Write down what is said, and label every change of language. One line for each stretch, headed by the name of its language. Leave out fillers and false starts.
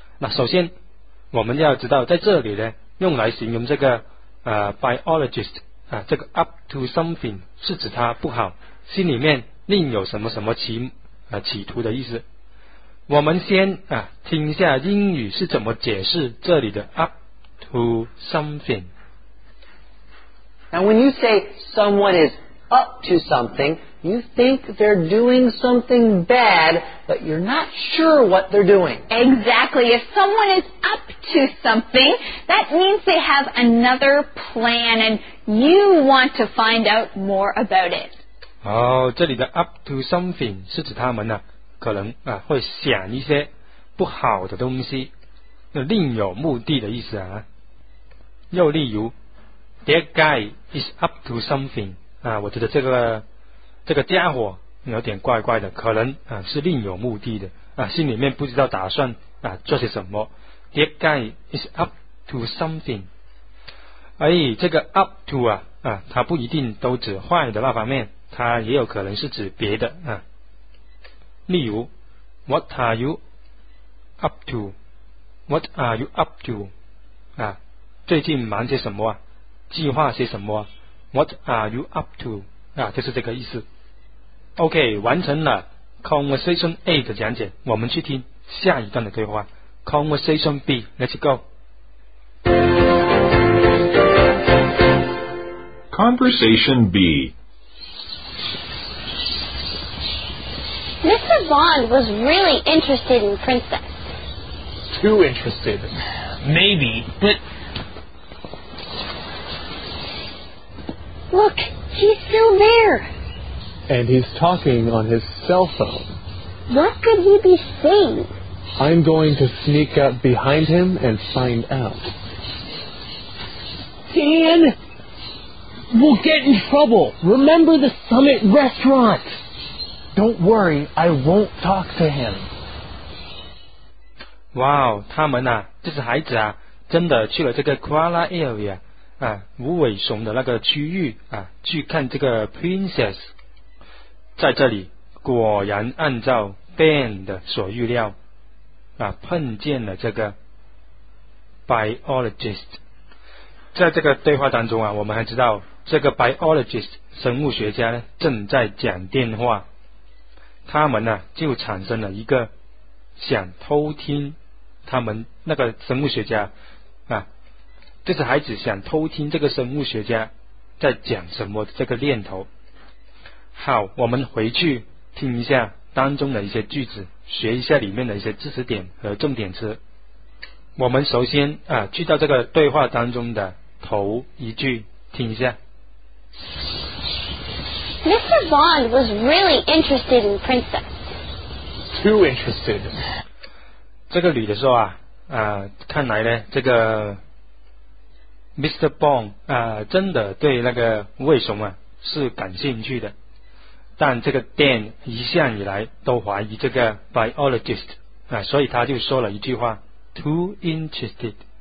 Chinese: 那首先我们要知道在这里呢用来形容这个biologist 啊，这个
English: up to something
Chinese: 是指他不好，心里面另有什么什么企图的意思。我们先啊听一下英语是怎么解释这里的
English: up to something。 Now when you say someone is up to something. You think they're doing something bad, but you're not sure what they're doing. Exactly. If someone is up to something, that means they have another plan and you want to find out more about it.
Chinese: 哦，这里的
English: up to something
Chinese: 是指他们呢，可能啊会想一些不好的东西，那另有目的的意思啊。又例如 ，
English: That guy is up to something
Chinese: 啊，我觉得这个家伙有点怪怪的，可能啊是另有目的的啊，心里面不知道打算啊做些什么。
English: That guy is up to something。
Chinese: 哎，这个 up to 啊，它不一定都指坏的那方面。它也有可能是指别的啊，例如 ，
English: What are you up to? What are you up to?
Chinese: 啊，最近忙些什么啊？计划些什么啊
English: ？What are you up to?
Chinese: 啊，就是这个意思。 OK， 完成了 Conversation A 的讲解，我们去听下一段的对话。
English: Conversation B， Let's go。 Conversation B。 Mr. Bond was really interested in Princess. Too interested. Maybe, but... Look, he's still there. And he's talking on his cell phone. What could he be saying? I'm going to sneak up behind him and find out. Dan! We'll get in trouble. Remember the Summit restaurant. Don't worry, I won't talk to him.
Chinese: Wow, 他们啊，这些孩子啊，真的去了这个 Koala Area 啊，无尾熊的那个区域啊，去看这个 Princess。在这里，果然按照 Ben 的所预料啊，碰见了这个 Biologist。在这个对话当中啊，我们还知道这个 Biologist 生物学家呢，正在讲电话。他们呢、啊、就产生了一个想偷听他们那个生物学家啊，这些孩子想偷听这个生物学家在讲什么这个念头。好，我们回去听一下当中的一些句子，学一下里面的一些知识点和重点词。我们首先啊去到这个对话当中的头一句，听一下。 Mr. Bond was really interested in Princess. Too interested. 这个女的说啊，看来呢，这个 Mr. Bond 啊，真的对那个无尾熊啊是感兴趣的。但这个 Dan 一向以来都怀疑这个 biologist 啊，所以他就说了一句话 ：
English: too interested。